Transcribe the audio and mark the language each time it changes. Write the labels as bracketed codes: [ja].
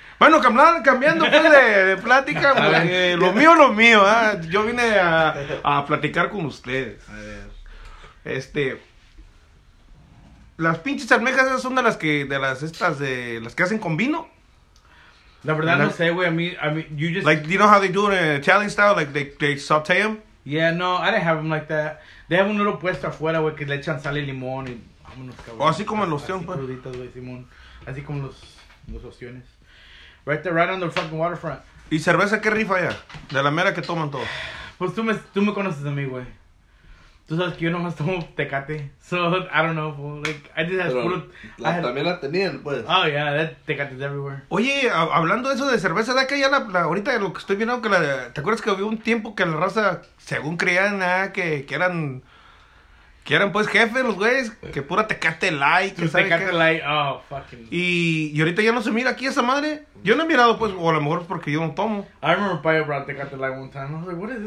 [es] Bueno, cambiando pues de plática, pues, lo mío, ¿eh? Yo vine a platicar con ustedes. A ver. Las pinches almejas son de las que hacen con vino. La verdad no sé, güey, [en] I mean, you just... Like, you know how they do it in Italian style, like they saute them? Yeah, no, I didn't have them like that. They have [es] un little puesto afuera, güey, que le echan sal y limón y... Vámonos, cabrón. O así como los ostión, pues. Cruditos, güey, Simón. Así como los ostiones. [en] Right there, right on the fucking waterfront. [es] ¿Y cerveza qué rifa ya? De la mera que toman todos. Pues tú me conoces a mí, güey. Tú sabes que yo nomás tomo Tecate. [en] So, I don't know, fool. Like, I just have fruit. [es] También la tenían, pues. [en] Oh, yeah, that Tecate's everywhere. [es] Oye, hablando de eso de cerveza, ¿de que ya la ahorita lo que estoy viendo, que la... ¿Te acuerdas que había un tiempo que la raza, según creían, que eran pues jefes los güeyes, que pura Tecate Light, que sabe Tecate qué? Light, [en] oh, fucking. [es] Y ahorita ya no se mira aquí esa madre. Yo no he mirado, pues, o a lo mejor es porque yo no tomo. [en] I remember Payo brought Tecate Light one time. I was like, what is this?